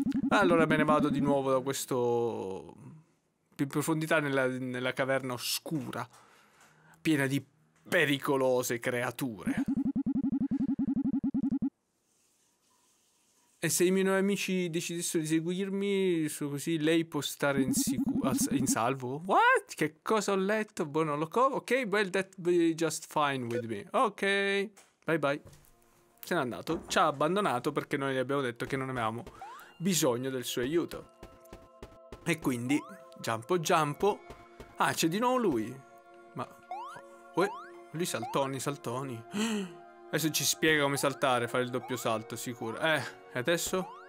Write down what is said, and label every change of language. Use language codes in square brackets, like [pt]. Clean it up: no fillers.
[it] Allora me ne vado di nuovo da questo... Più in profondità nella caverna oscura. Piena di pericolose creature. E se i miei nuovi amici decidessero di seguirmi, così lei può stare in salvo? What? Che cosa ho letto? Boh, non lo so. [en] Ok, well, that be just fine with me. [it] Ok, bye bye. Se n'è andato. Ci ha abbandonato perché noi gli abbiamo detto che non avevamo bisogno del suo aiuto. E quindi, giampo, giampo. Ah, c'è di nuovo lui. Ma... Uè, lui saltoni, saltoni. Adesso ci spiega come saltare, fare il doppio salto, sicuro. E adesso?